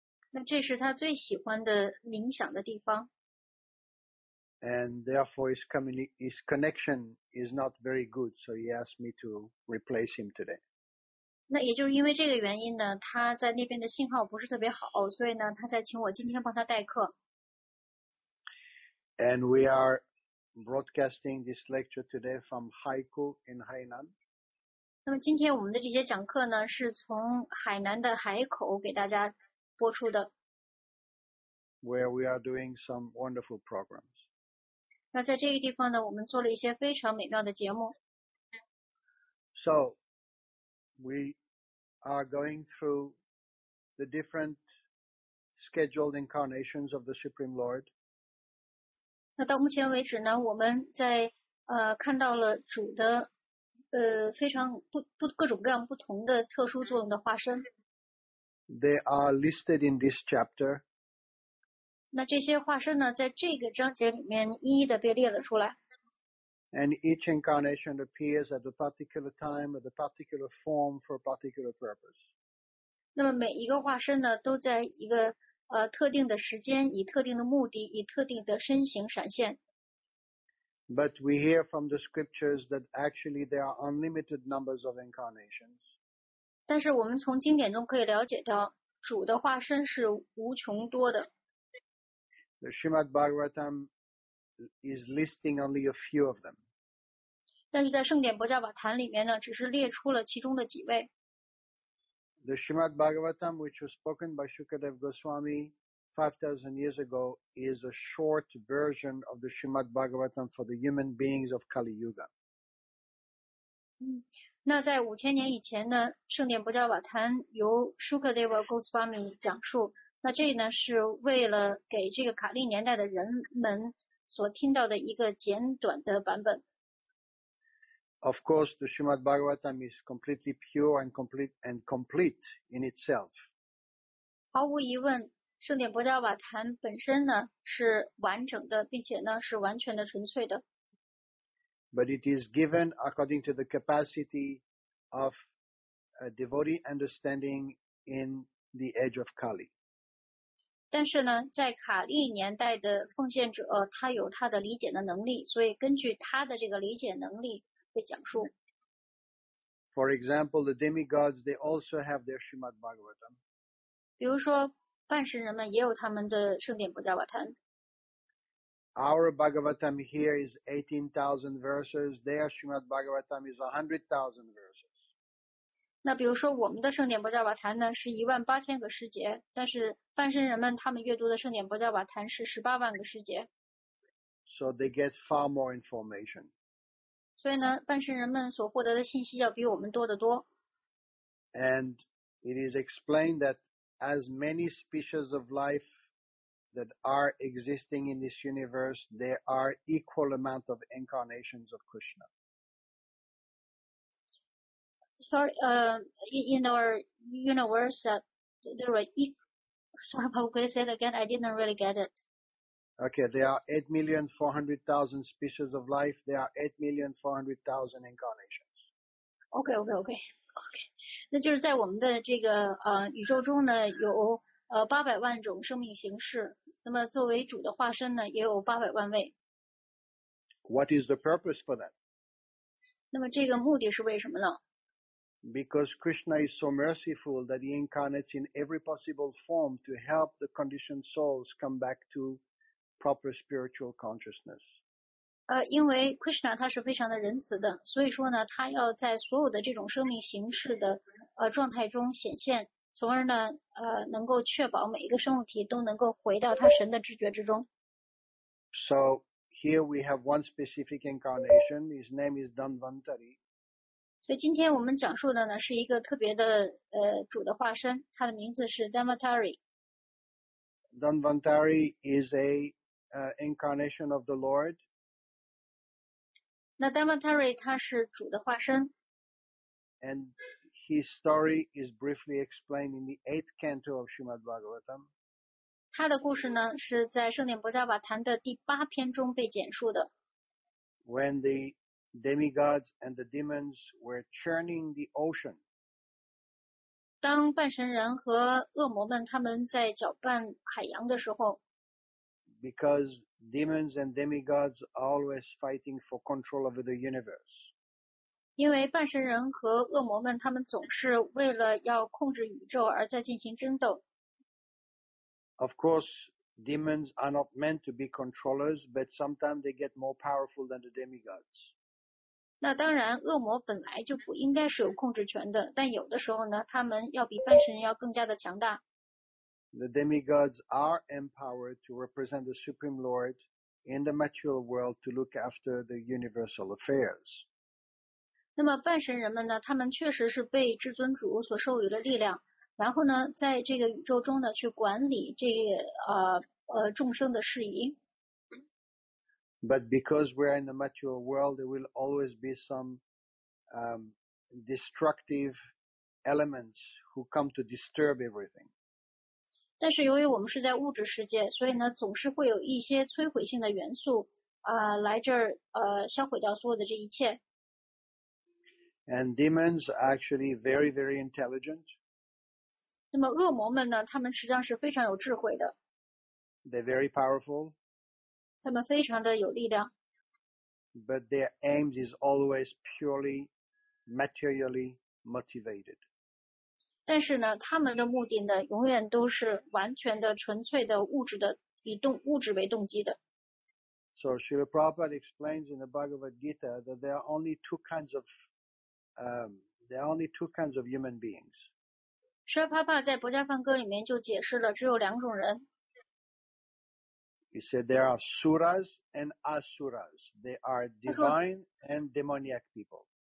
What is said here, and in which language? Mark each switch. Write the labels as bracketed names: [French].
[Chinese] 那这是他最喜欢的冥想的地方。 [English] And therefore his connection is not very good, so he asked me to replace him today. [Chinese] 那也就是因为这个原因呢，他在那边的信号不是特别好，所以呢，他才请我今天帮他代课。 [English] And we are broadcasting this lecture today from Haikou in Hainan. [Chinese] 那么今天我们的这些讲课呢，是从海南的海口给大家播出的。 [English] Where we are doing some wonderful programs. [Chinese] 那在这个地方呢我们做了一些非常美妙的节目。 [English] So, we are going through the different scheduled incarnations of the Supreme Lord. [Chinese] 那到目前为止呢我们在看到了主的非常各种各样不同的特殊作用的化身。 [English] They are listed in this chapter. [Chinese] 那这些化身呢在这个章节里面一一的被列了出来。 [English] And each incarnation appears at a particular time, at a particular form, for a particular purpose. [Chinese] 那么每一个化身呢都在一个特定的时间以特定的目的以特定的身形闪现。 [English] But we hear from the scriptures that actually there are unlimited numbers of incarnations. [Chinese] 但是我们从经典中可以了解到主的化身是无穷多的。 [English] The Srimad Bhagavatam is listing only a few of them. [Chinese] 但是在圣典薄伽瓦坛里面呢只是列出了其中的几位。 [English] The Srimad Bhagavatam, which was spoken by Shukadev Goswami 5,000 years ago, is a short version of the Srimad Bhagavatam for the human beings of Kali Yuga. [Chinese] 那在五千年以前呢圣典薄伽瓦坛由 Shukadev Goswami 讲述那这呢是为了给这个卡利年代的人们所听到的一个简短的版本。 [English] Of course, the Srimad Bhagavatam is completely pure and complete in itself. [Chinese] 毫无疑问，圣典薄伽瓦坛本身呢是完整的，并且呢是完全的纯粹的。 [English] But it is given according to the capacity of a devotee understanding in the age of Kali. [Chinese] 但是呢在卡利年代的奉献者他有他的理解的能力所以根据他的这个理解能力被讲述。 [English] For example, the demigods, they also have their Srimad Bhagavatam. [Chinese] 比如说半神人们也有他们的圣典薄伽瓦坛。 [English] Our Bhagavatam here is 18,000 verses, their Srimad Bhagavatam is 100,000 verses. [Chinese] 那比如说我们的圣典薄伽瓦坛呢是18,000个时节但是半身人们他们阅读的圣典薄伽瓦坛是180,000个时节。 [English] So they get far more information. [Chinese] 所以呢半身人们所获得的信息要比我们多得多。 [English] And it is explained that as many species of life that are existing in this universe, there are equal amount of incarnations of Krishna. There are equal. Sorry, Prabhu, could you say it again? I didn't really get it. Okay, there are 8,400,000 species of life. There are 8,400,000 incarnations. Okay, okay, okay, okay. [Chinese] 那就是在我们的这个宇宙中呢，有800万种生命形式。那么作为主的化身呢，也有800万位。 [English] What is the purpose for that? [Chinese] 那么这个目的是为什么呢？ [English] Because Krishna is so merciful that he incarnates in every possible form to help the conditioned souls come back to proper spiritual consciousness. [Chinese] 因为 Krishna 他是非常的仁慈的，所以说呢，他要在所有的这种生命形式的状态中显现，从而呢能够确保每一个生物体都能够回到他神的知觉之中。 [English] So here we have one specific incarnation. His name is Dhanvantari. [Chinese] 所以今天我们讲述的呢是一个特别的主的化身，他的名字是 Dhanvantari。 [English] Dhanvantari is a incarnation of the Lord. [Chinese] 那 Dhanvantari 他是主的化身。 [English] And his story is briefly explained in the 8th canto of Srimad Bhagavatam. [Chinese] 他的故事呢是在圣典薄伽瓦坛的第八篇中被简述的。 [English] When the demigods and the demons were churning the ocean. [Chinese] 当半神人和恶魔们他们在搅拌海洋的时候， [English] because demons and demigods are always fighting for control over the universe. [Chinese] 因为半神人和恶魔们他们总是为了要控制宇宙而在进行争斗。 [English] Of course, demons are not meant to be controllers, but sometimes they get more powerful than the demigods. [Chinese] 那当然恶魔本来就不应该是有控制权的，但有的时候呢他们要比半神要更加的强大。 [English] The demigods are empowered to represent the Supreme Lord in the material world to look after the universal affairs. [Chinese] 那么半神人们呢，他们确实是被至尊主所授予的力量，然后呢在这个宇宙中呢去管理这个众生的事宜。 [English] But because we are in the material world, there will always be some destructive elements who come to disturb everything. [Chinese] 但是由于我们是在物质世界，所以呢，总是会有一些摧毁性的元素来这儿销毁掉所有的这一切。 [English] And demons are actually very, very intelligent. [Chinese] 那么恶魔们呢，他们实际上是非常有智慧的。 [English] They're very powerful. [Chinese] 他们非常的有力量。 [English] But their aim is always purely materially motivated. [Chinese] 但是呢他们的目的呢永远都是完全的纯粹的物质的以动物质为动机的。 [English] So Srila Prabhupada explains in the Bhagavad Gita that there are only two kinds of, human beings. [Chinese] Srila Prabhupada 在《薄伽梵歌》里面就解释了只有两种人。 [English] He said there are suras and asuras. They are divine and demoniac people.